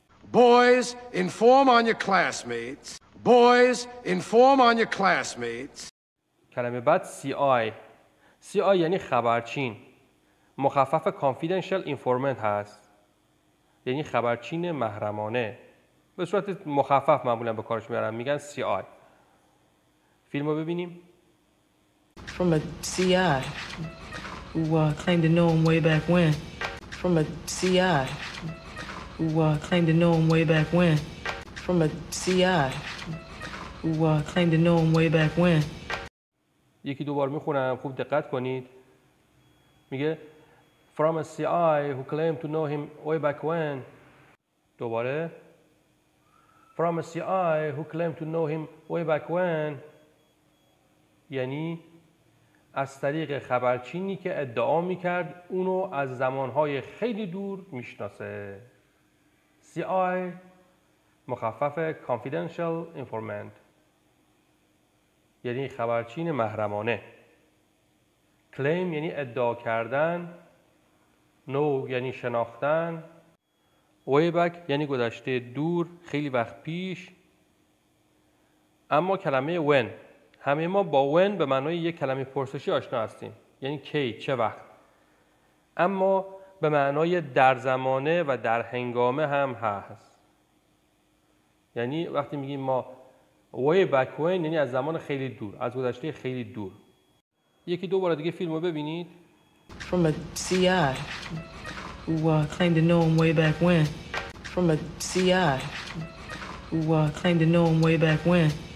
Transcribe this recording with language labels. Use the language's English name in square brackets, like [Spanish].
[English] Boys, inform on your classmates. Boys, inform on your classmates. [Persian] کلمه بعد CI. CI یعنی خبرچین. مخفف confidential informant هست. یعنی خبرچین محرمانه. به صورت مخفف معمولا به کارش میارن. میگن CI. فیلم رو ببینیم. [English] From a CI who claimed to know him way back when. From a CI who claimed to know him way back when. From a CI who claimed to know him way back when. [Persian] یکی دوبار میخونم، خوب دقت کنید. میگه [English] From a CI who claimed to know him way back when. [Persian] دوباره. [English] From a CI who claimed to know him way back when. [Persian] یعنی از طریق خبرچینی که ادعا میکرد اونو از زمانهای خیلی دور میشناسه. CI مخفف confidential informant یعنی خبرچین محرمانه. Claim یعنی ادعا کردن. Know یعنی شناختن. Way back یعنی گذشته دور، خیلی وقت پیش. اما کلمه when، همه ما با when به معنای یک کلمه پرسشی آشنا هستیم، یعنی کی، چه وقت، اما به معنای در زمانه و در هنگامه هم هست. یعنی وقتی میگیم ما way back when یعنی از زمان خیلی دور، از گذشته خیلی دور. یکی دو بار دیگه فیلمو ببینید. [English] From a CI who claimed to know him way back when. From a CI who claimed to know him way back when.